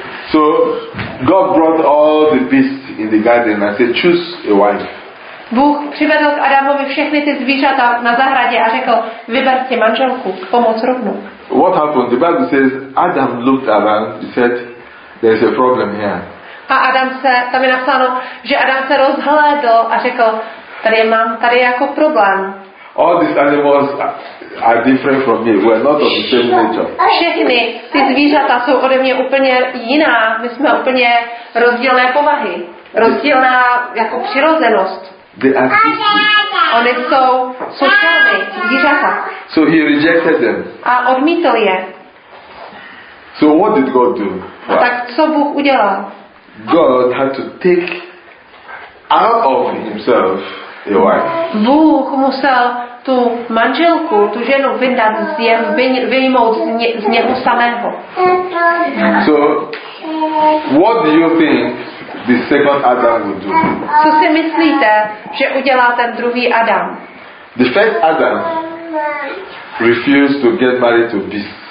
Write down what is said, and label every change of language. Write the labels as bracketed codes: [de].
[en] So God brought all the beasts in the garden and said, choose a wife. [cs] Bůh přivedl k Adamovi všechny ty zvířata na zahradě a řekl, vyber si manželku, pomoc rovnou. [en] What happened? The Bible says Adam looked around, he said, there's a problem here. [cs] A Adam se, tam je napsáno, že Adam se rozhlédl a řekl, tady je jako problém. [en] All these animals are different from me. We are not of the same nature. [cs] Všechny ty zvířata jsou ode mě úplně jiná. My jsme úplně rozdílné povahy. Rozdílná jako přirozenost. [en] They are different. [cs] Oni jsou sociální zvířata. [en] So he rejected them. [cs] A odmítl je. [en] So what did God do? [cs] A tak co Bůh udělal? [en] God had to take out of himself. [cs] Bůh musel tu manželku, tu ženu vydat z jeho, vyjmout z něho samého. [en] So, what do you think the second Adam would do? [cs] Co si myslíte, že udělá ten druhý Adam? [en] The first Adam refused to get married to this.